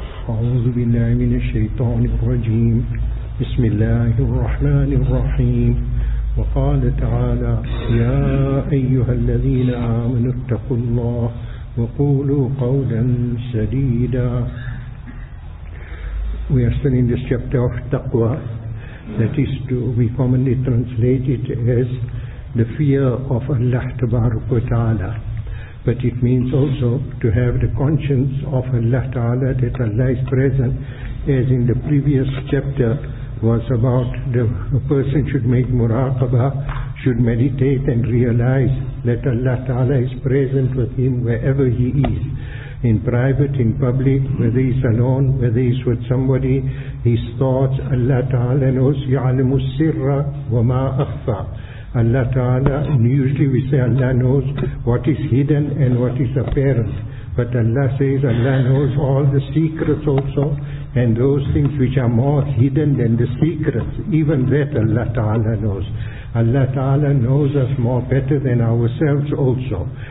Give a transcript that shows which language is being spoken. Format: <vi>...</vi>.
<ar>أعوذ بالله من الشيطان الرجيم. بسم الله الرحمن الرحيم. وقال تعالى: يا أيها الذين آمنوا اتقوا الله وقولوا قولا سديدا.</ar> <en>We are still in this chapter of taqwa, that is to be commonly translated as the fear of Allah tabaraka wa ta'ala. But it means also to have the conscience of Allah Ta'ala, that Allah is present, as in the previous chapter was about the a person should make muraqabah, should meditate and realize that Allah Ta'ala is present with him wherever he is, in private, in public, whether he's alone, whether he's with somebody, his thoughts. Allah Ta'ala knows,</en> <ar>يَعْلَمُ السِّرَّ وَمَا أَخْفَى.</ar> <en>Allah Ta'ala, usually we say Allah knows what is hidden and what is apparent. But Allah says Allah knows all the secrets also, and those things which are more hidden than the secrets, even that Allah Ta'ala knows. Allah Ta'ala knows us more better than ourselves also.</en>